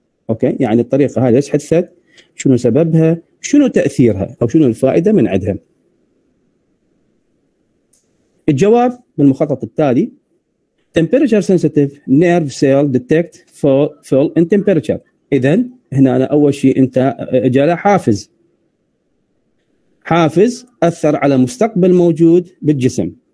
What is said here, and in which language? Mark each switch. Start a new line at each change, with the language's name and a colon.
Arabic: اوكي يعني الطريقة هاي ليش حدثت، شنو سببها، شنو تأثيرها او شنو الفائدة من عدها. الجواب بالمخطط التالي:
English: temperature sensitive nerve cell detect fall in temperature.
Arabic: إذا هنا أنا أول شيء أنت جاله حافز أثر على مستقبل موجود بالجسم.